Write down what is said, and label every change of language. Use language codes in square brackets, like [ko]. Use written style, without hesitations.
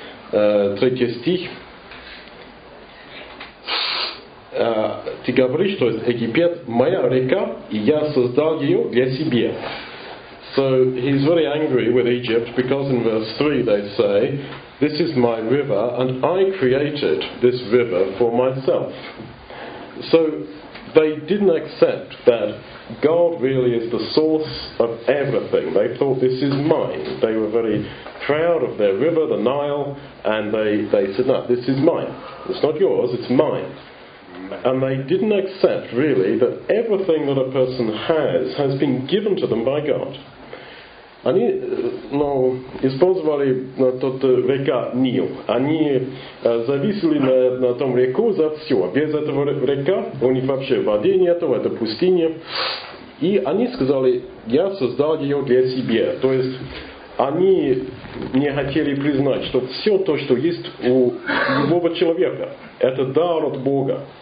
[ru] Третий стих. Ты говоришь, что Египет моя река, и я создал ее для себя. [en] So he's very angry with Egypt because in verse 3 they say, this is my river and I created this river for myself. So they didn't accept that God really is the source of everything. They thought this is mine. They were very proud of their river, the Nile, and they said, no, this is mine. It's not yours, it's mine. And they didn't accept really that everything that a person has been given to them by God. [ru] Они, ну, использовали тот река Нил. Они зависели на том реку за все. Без этого река у них вообще воды нету, это пустыня. И они сказали, я создал ее для себя. То есть они не хотели признать, что все то, что есть у любого человека, это дар от Бога.